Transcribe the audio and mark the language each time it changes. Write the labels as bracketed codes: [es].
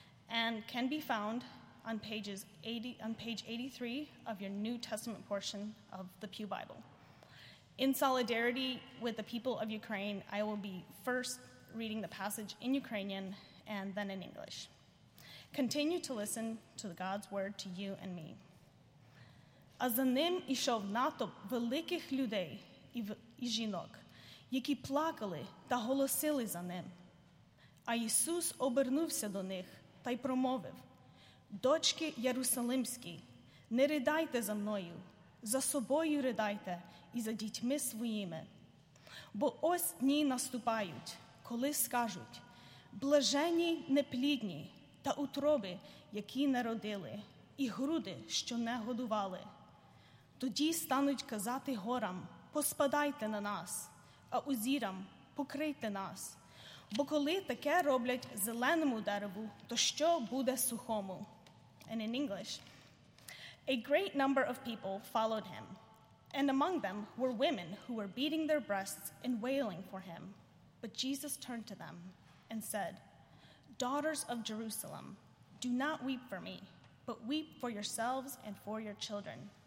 [en] And can be found on page 83 of your New Testament portion of the Pew Bible. In solidarity with the people of Ukraine, I will be first reading the passage in Ukrainian and then in English. Continue to listen to God's word to you and me. [uk] А за ним ішов натовп великих людей і жінок, які плакали та голосили за ним. А Ісус обернувся до них. Та й промовив, «Дочки Єрусалимські, не ридайте за мною, за собою ридайте і за дітьми своїми. Бо ось дні наступають, коли скажуть, блаженні неплідні та утроби, які не родили, і груди, що не годували. Тоді стануть казати горам, поспадайте на нас, а озірам, покрийте нас». Бо коли таке роблять зеленому дереву, то що буде сухому? [en] And in English, a great number of people followed him, and among them were women who were beating their breasts and wailing for him. But Jesus turned to them and said, Daughters of Jerusalem, do not weep for me, but weep for yourselves and for your children.